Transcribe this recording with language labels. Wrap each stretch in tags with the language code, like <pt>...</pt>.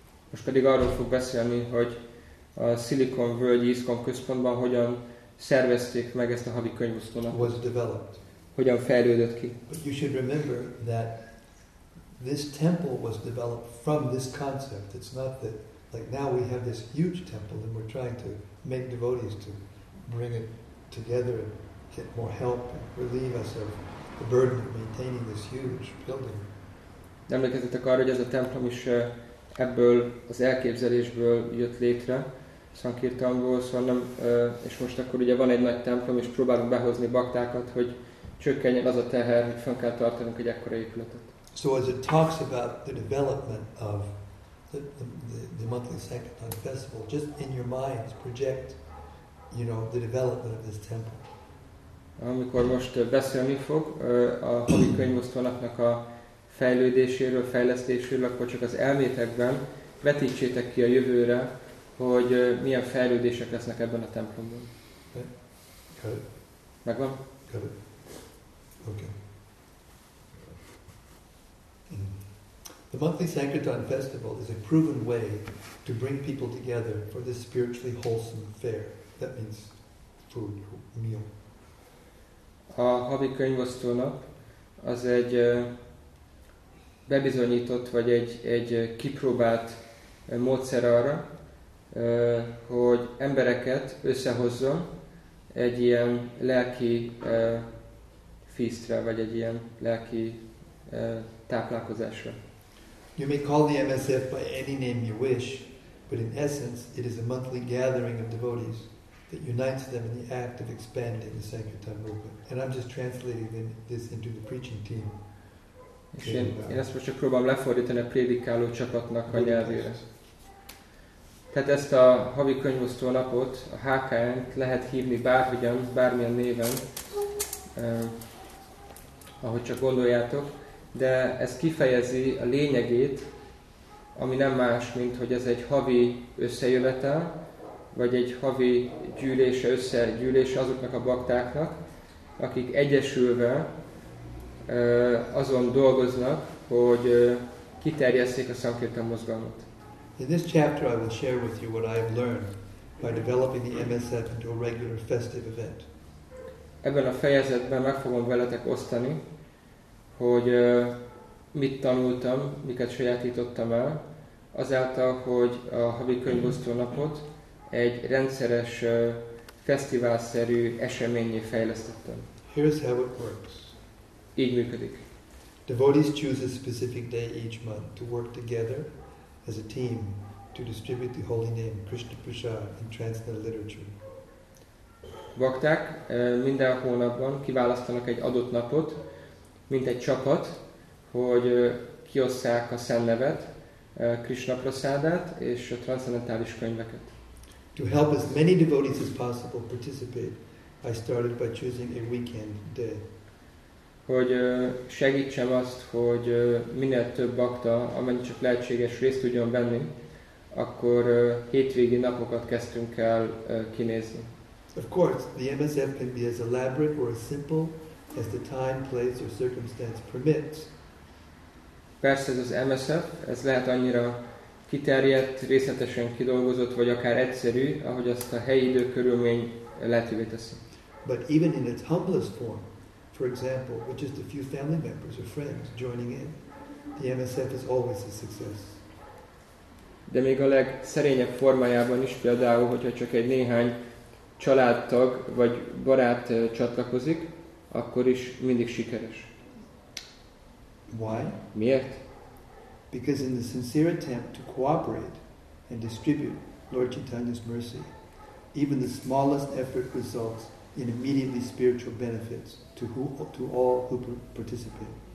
<hu>Most pedig arról fog beszélni, hogy a Silicon Valley ISKCON központban hogyan szervezték meg ezt a havi könyvosztónak.</hu> <en>Was developed.</en> <hu>Hogyan fejlődött ki?</hu> <en>But you should remember that this temple was developed from this concept. It's not that. Like now we have this huge temple and we're trying to make devotees to bring it together and get more help and relieve us of the burden of maintaining this huge building.</en> <hu>Emlékezzetek arra, hogy ez a templom is ebből az elképzelésből jött létre, Sankirtanból, szóval nem, és most akkor ugye van egy nagy templom, és próbálunk behozni baktákat, hogy csökkenjen az a teher, hogy fenn kell tartanunk egy ekkora épületet.</hu> <en>So as it talks about the development of the monthly Sankirtan festival, just in your minds project, you know, the development of this temple.</en> <hu>Amikor most beszélni fog a havi könyvosztónaknak a fejlődéséről, fejlesztéséről, akkor csak az elmétekben vetítsétek ki a jövőre, hogy milyen fejlődések lesznek ebben a templomban.</hu> <en>Okay.</en> <hu>Megvan?</hu> <en>Got it. Okay. The monthly Sankirtan festival is a proven way to bring people together for this spiritually wholesome fare. That means food, meal.</en> <hu>A havi könyvosztónap az egy bebizonyított, vagy egy kipróbált módszer arra, hogy embereket összehozzon egy ilyen lelki feastre, vagy egy ilyen lelki táplálkozásra.</hu> <en>You may call the MSF by any name you wish, but in essence it is a monthly gathering of devotees that unites them in the act of expanding the Sankirtan movement. And I'm just translating this into the preaching team.</en> <hu>És én ezt most csak próbálom lefordítani a prédikáló csapatnak a nyelvére. Tehát ezt a havi könyvosztó napot, a HKN-t lehet hívni bárhogyan, bármilyen néven, ahogy csak gondoljátok, de ez kifejezi a lényegét, ami nem más, mint hogy ez egy havi összejövetel, vagy egy havi gyűlése, összegyűlése azoknak a baktáknak, akik egyesülve azon dolgoznak, hogy kiterjesszék a Sankirtan mozgalmat.</hu> <en>In this chapter I will share with you what I have learned by developing the MSF into a regular festive event.</en> <hu>Ebben a fejezetben meg fogom veletek osztani, hogy mit tanultam, miket sajátítottam el, azáltal, hogy a havi könyvosztó napot egy rendszeres fesztiválszerű eseményé fejlesztettem.</hu> <en>Here's how it works.</en> <hu>Így működik.</hu> <en>Devotees choose a specific day each month to work together as a team to distribute the holy name Krishna Prasad in transcendental literature.</en> <hu>Bakták minden hónapban kiválasztanak egy adott napot, mint egy csapat, hogy kiosszák a szent nevet, Krishna Prasadát és a transzcendentális könyveket.</hu> <en>To help as many devotees as possible participate, I started by choosing a weekend day.</en> <hu>Hogy segítsem azt, hogy minél több bakta, amennyi csak lehetséges részt tudjon venni, akkor hétvégi napokat kezdtünk el kinézni.</hu> <en>Of course, the MSF can be as elaborate or as simple as the time, place or circumstance permits.</en> <hu>Persze ez az MSF, ez lehet annyira kiterjedt, részletesen kidolgozott, vagy akár egyszerű, ahogy azt a helyi időkörülmény lehetővé teszi.</hu> <en>But even in its humblest form, for example, with just a few family members or friends joining in, the MSF is always a success.</en> <hu>De még a legszerényebb formájában is, például, hogyha csak egy néhány családtag vagy barát csatlakozik, akkor is mindig sikeres.</hu> <en>Why?</en> <hu>Miért?</hu> <en>Because in the sincere attempt to cooperate and distribute Lord Chaitanya's mercy, even the smallest effort results in immediately spiritual benefits to all who participate.</en>